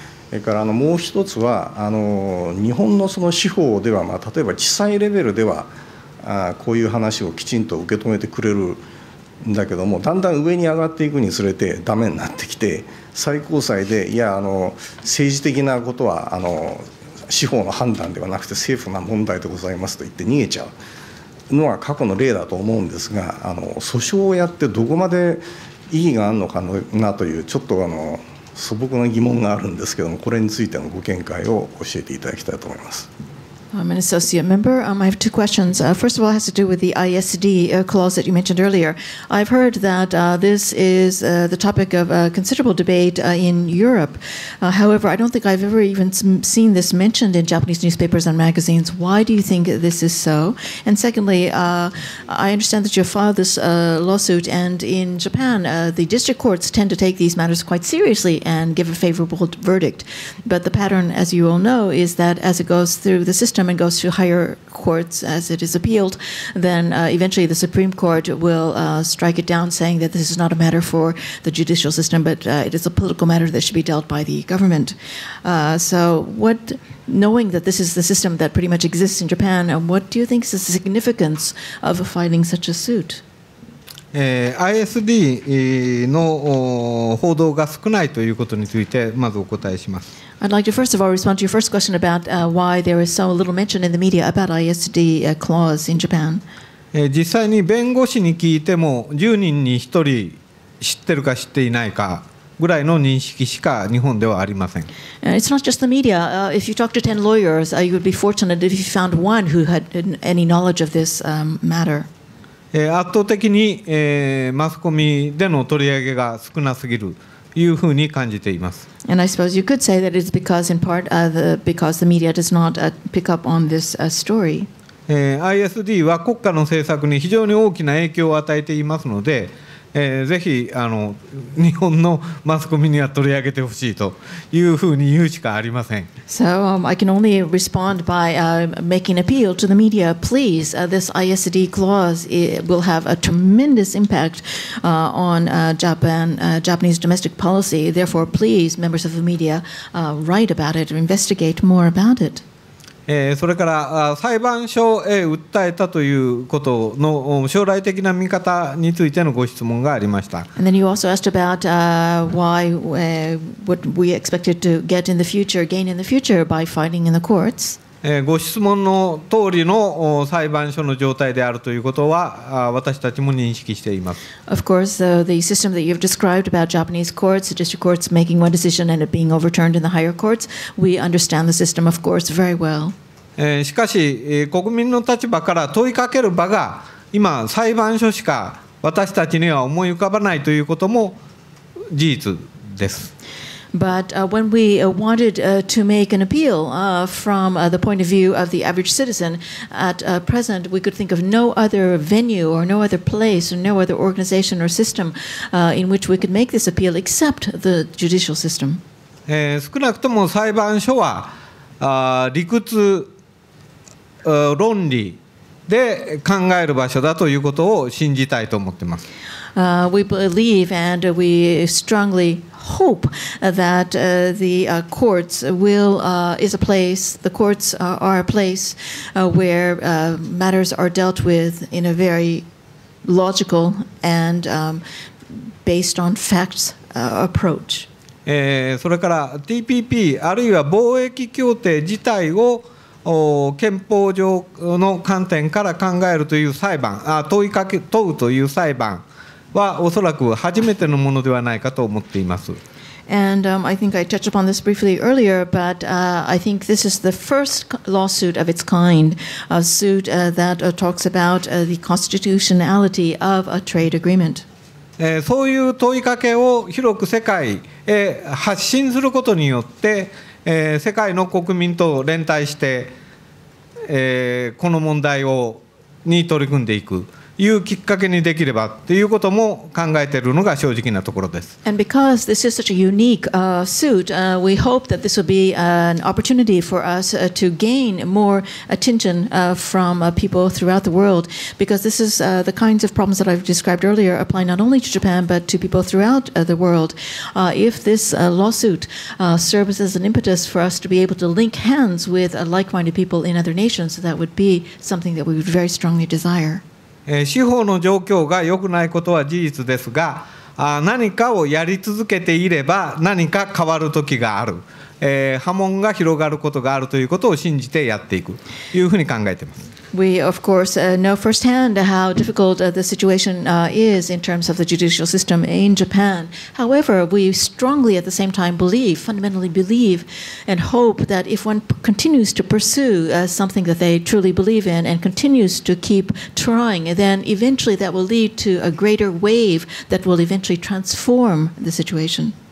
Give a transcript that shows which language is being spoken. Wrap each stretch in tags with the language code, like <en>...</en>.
<ja>それからもう一つは日本のその司法では、例えば地裁レベルではこういう話をきちんと受け止めてくれるんだけども、だんだん上に上がっていくにつれてダメになってきて、最高裁でいや政治的なことは司法の判断ではなくて政府の問題でございますと言って逃げちゃうのは過去の例だと思うんですが、訴訟をやってどこまで意義があるのかなというちょっと素朴な疑問があるんですけども、これについてのご見解を教えていただきたいと思います。</ja> <en>I'm an associate member. I have two questions. First of all, it has to do with the ISD clause that you mentioned earlier. I've heard that this is the topic of considerable debate in Europe. However, I don't think I've ever even seen this mentioned in Japanese newspapers and magazines. Why do you think this is so? And secondly, I understand that you filed this lawsuit, and in Japan, the district courts tend to take these matters quite seriously and give a favorable verdict. But the pattern, as you all know, is that as it goes through the system, and goes to higher courts as it is appealed, then eventually the Supreme Court will strike it down, saying that this is not a matter for the judicial system, but it is a political matter that should be dealt by the government. So what, knowing that this is the system that pretty much exists in Japan, what do you think is the significance of filing such a suit?</en> <ja>ISD の報道が少ないということについてまずお答えします。</ja> <en>I'd like to first of all respond to your first question about why there is so little mention in the media about ISD clause in Japan.</en> <ja>実際に弁護士に聞いても10人に1人知ってるか知っていないかぐらいの認識しか日本ではありません。</ja> <en>It's not just the media. If you talk to 10 lawyers, you would be fortunate if you found one who had any knowledge of this matter.</en> <ja>圧倒的に、マスコミでの取り上げが少なすぎるというふうに感じています。</ja> <en>And I suppose you could say that it's because in part because the media does not pick up on this story.</en> <ja>ISD は国家の政策に非常に大きな影響を与えていますので、ぜひ日本のマスコミには取り上げてほしいというふうに言うしかありません。</ja> <en>So, I can only respond by making appeal to the media. Please, this ISD clause will have a tremendous impact on Japanese domestic policy. Therefore, please, members of the media, write about it, investigate more about it.</en> <ja>それから裁判所へ訴えたということの将来的な見方についてのご質問がありました。</ja> <en>And then you also asked about why what we expected to get in the future, gain in the future by fighting in the courts.</en> <ja>ご質問の通りの裁判所の状態であるということは私たちも認識しています。</ja> <en>Of course, the system that you've described about Japanese courts, district courts making one decision and it being overturned in the higher courts, we understand the system, of course, very well.</en> <ja>しかし、国民の立場から問いかける場が今裁判所しか私たちには思い浮かばないということも事実です。</ja> <en>But when we wanted to make an appeal from the point of view of the average citizen, at present we could think of no other venue or no other place or no other organization or system in which we could make this appeal except the judicial system.</en> <ja>少なくとも裁判所は理屈、論理で考える場所だということを信じたいと思ってます。</ja> <en>We believe and we strongly hope that courts will is a place. The courts are a place where matters are dealt with in a very logical and based on facts approach.</en> <ja>それから TPP あるいは貿易協定自体を憲法上の観点から考えるという裁判、問うという裁判。はおそらく初めてのものではないかと思っています。</ja> <en>And I think I touched upon this briefly earlier, but I think this is the first lawsuit of its kind, a suit that talks about the constitutionality of a trade agreement.</en> <ja>そういう問いかけを広く世界へ発信することによって、世界の国民と連帯して、この問題をに取り組んでいく。いうきっかけにできればということも考えているのが正直なところです。</ja> <en>And because this is such a unique suit, we hope that this will be an opportunity for us to gain more attention from people throughout the world. Because this is the kinds of problems that I've described earlier apply not only to Japan, but to people throughout the world. If this lawsuit serves as an impetus for us to be able to link hands with like-minded people in other nations, that would be something that we would very strongly desire.</en> <ja>司法の状況が良くないことは事実ですが、何かをやり続けていれば何か変わる時がある。波紋が広がることがあるということを信じてやっていくというふうに考えています。</ja> <en>We of course know firsthand how difficult the situation is in terms of the judicial system in Japan. However, we strongly at the same time believe, fundamentally believe, and hope that if one continues to pursue something that they truly believe in and continues to keep trying, then eventually that will lead to a greater wave that will eventually transform the situation.</en>